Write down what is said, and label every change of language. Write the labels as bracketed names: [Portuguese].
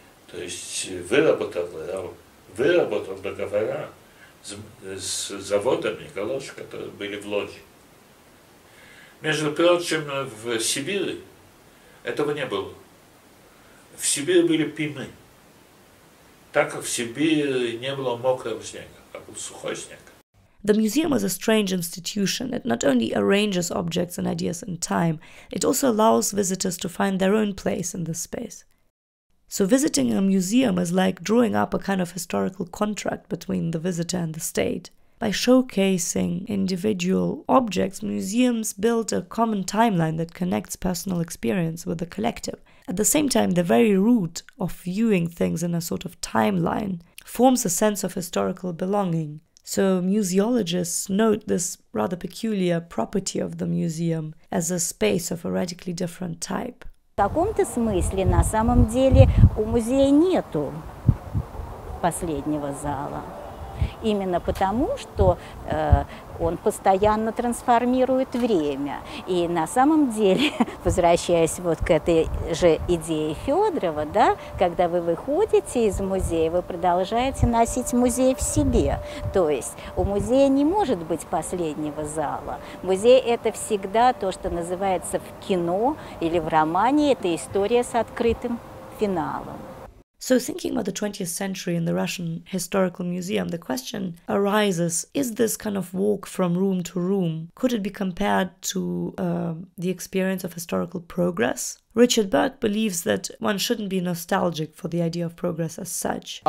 [Russian] То есть выработал договора с заводами галоши, которые были в Лодзи. Между прочим, в Сибири этого не было. В Сибири были пимы. Так как в Сибири не было мокрого снега, а был сухой снег. [English] The museum is a strange institution. It not only arranges objects and ideas in time, it also allows visitors to find their own place in this space. So visiting a museum is like drawing up a kind of historical contract between the visitor and the state. By showcasing individual objects, museums build a common timeline that connects personal experience with the collective. At the same time, the very root of viewing things in a sort of timeline forms a sense of historical belonging. So museologists note this rather peculiar property of the museum as a space of a radically different type. [Russian] В каком-то смысле, на самом деле, у музея нету последнего зала. Именно потому, что он постоянно трансформирует время. И на самом деле, возвращаясь вот к этой же идее Федорова, да, когда вы выходите из музея, вы продолжаете носить музей в себе. То есть у музея не может быть последнего зала. Музей – это всегда то, что называется в кино или в романе, это история с открытым финалом. [English] So thinking about the 20th century in the Russian Historical Museum, the question arises, is this kind of walk from room to room, could it be compared to the experience of historical progress? Richard Burke believes that one shouldn't be nostalgic for the idea of progress as such.